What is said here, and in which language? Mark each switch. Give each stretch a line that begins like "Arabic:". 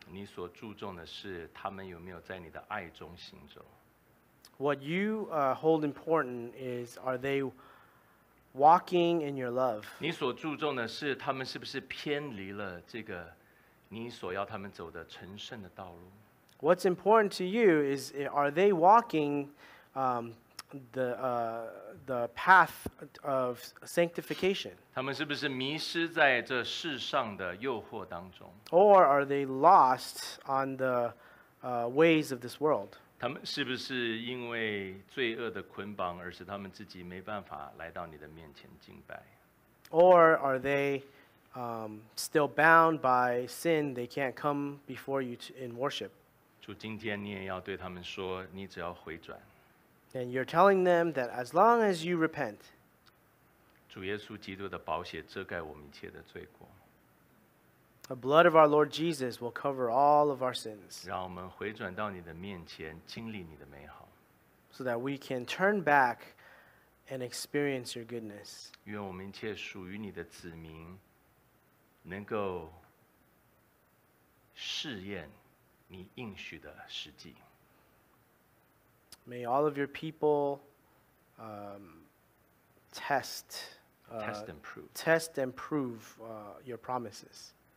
Chinese: 你所注重的是他们有没有在你的爱中行走。
English: What you hold important is are they walking in your love?
Chinese: 你所注重的是他们是不是偏离了这个你所要他们走的成圣的道路。
English: What's important to you is are they walking the path of sanctification.
Chinese: 他们是不是迷失在这世上的诱惑当中？
English: Or are they lost on the ways of this world?
Chinese: 他们是不是因为罪恶的捆绑而使他们自己没办法来到你的面前敬拜？
English: Or are they still bound by sin? They can't come before you in worship.
Chinese: 主，今天你也要对他们说，你只要回转。
English: And you're telling them that as long as you repent,
Chinese: 主耶稣基督的宝血遮盖我们一切的罪过。
English: The blood of our Lord Jesus will cover all of our sins.
Chinese: 让我们回转到你的面前，经历你的美好。
English: So that we can turn back and experience your goodness.
Chinese: 愿我们一切属于你的子民能够试验你应许的实际。
English: May all of your people test and prove your promises.